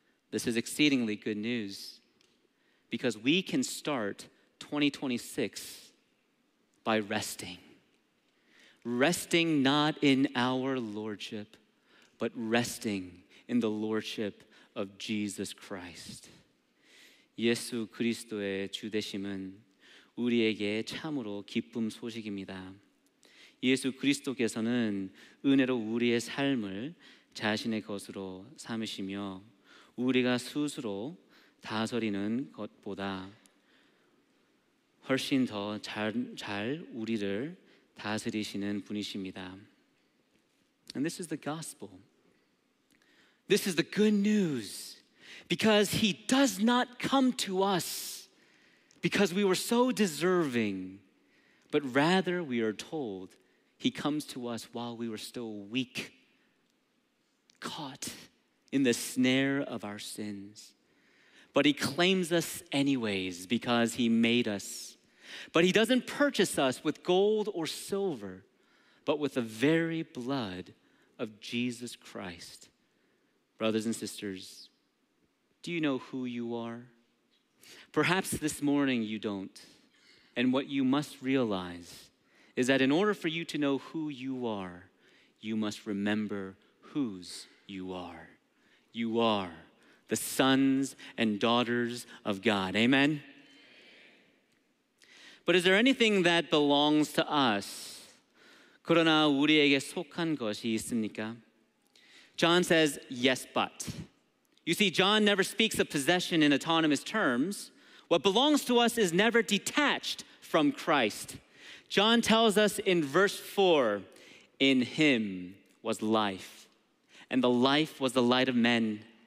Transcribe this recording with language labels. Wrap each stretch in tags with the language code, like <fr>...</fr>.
<en>This is exceedingly good news because we can start 2026 by resting. Resting not in our lordship, but resting in the lordship of Jesus Christ.</en> <ko>예수 그리스도의 주 되심은 우리에게 참으로 기쁨 소식입니다. 예수 그리스도께서는 은혜로 우리의 삶을 자신의 것으로 삼으시며 우리가 스스로 다스리는 것보다 훨씬 더 잘 우리를 다스리시는 분이십니다.</ko> <en>And this is the gospel. This is the good news because he does not come to us because we were so deserving, but rather we are told he comes to us while we were still weak, caught in the snare of our sins. But he claims us anyways because he made us. But he doesn't purchase us with gold or silver, but with the very blood of Jesus Christ. Brothers and sisters, do you know who you are? Perhaps this morning you don't. And what you must realize is that in order for you to know who you are, you must remember whose you are. You are the sons and daughters of God. Amen? But is there anything that belongs to us?</en> <ko>그러나 우리에게 속한 것이 있습니까?</ko> <en>John says, yes, but. You see, John never speaks of possession in autonomous terms. What belongs to us is never detached from Christ. John tells us in verse 4, in him was life, and the life was the light of men.</en>